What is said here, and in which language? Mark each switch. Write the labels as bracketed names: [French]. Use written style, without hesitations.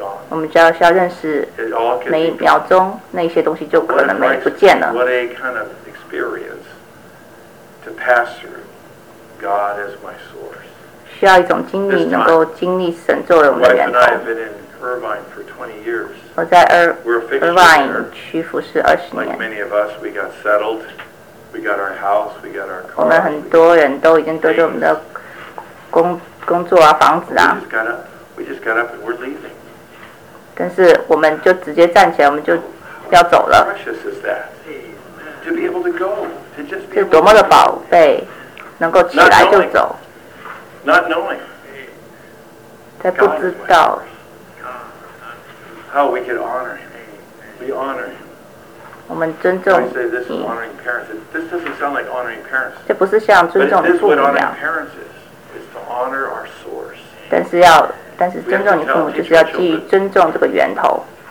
[Chinese] 我们就要认识每一秒钟那些东西就可能没不见了。 [English] What a kind of experience to pass through God as my source. [Chinese] 需要一种经历，能够经历神作为我们的源头。 [English] My wife and I have been in Irvine for 20 years. [Chinese] 我在 Irvine 屈服侍20年。 [English] Like many of us, we got settled. We got our house. We got our car. [Chinese] 我们很多人都已经得到我们的工作啊，房子啊。 [English] We just got up and we're leaving. [Chinese] 但是我们就直接站起来，我们就要走了。 [English] Precious is that to be able to go, to just be. [Chinese] 是多么的宝贝，能够起来就走。 [English] Not knowing. [Chinese] 在不知道。 [English] How we could honor him? We honor him. [Chinese] 我们尊重。 [English] I say this is honoring parents. This doesn't sound like honoring parents. [Chinese] 这不是像尊重父母一样。 [English] But this is what honoring parents is. Is to honor our source. [Chinese] 但是尊重你父母，就是要基于尊重这个源头。